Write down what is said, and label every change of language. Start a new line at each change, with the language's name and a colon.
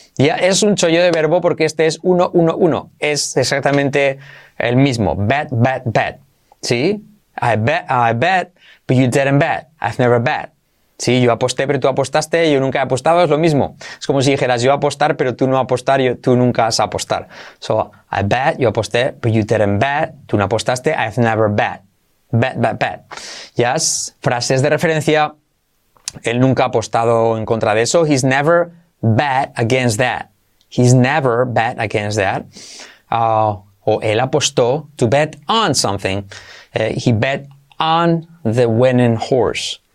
Spanish: Y es un chollo de verbo porque este es 1, 1, 1. Es exactamente el mismo, bet, bet, bet. ¿Sí?
English: I bet, but you didn't bet. I've never bet.
Spanish: Sí, yo aposté, pero tú apostaste, yo nunca he apostado, es lo mismo. Es como si dijeras yo apostar, pero tú no apostar, tú nunca has apostar.
English: So, I bet,
Spanish: yo aposté,
English: but you didn't bet,
Spanish: tú no apostaste,
English: I've never bet. Bet, bet, bet.
Spanish: Yes, frases de referencia, él nunca ha apostado en contra de eso.
English: He's never bet against that. He's never bet against that.
Spanish: O él apostó
English: to bet on something. He bet on the winning horse.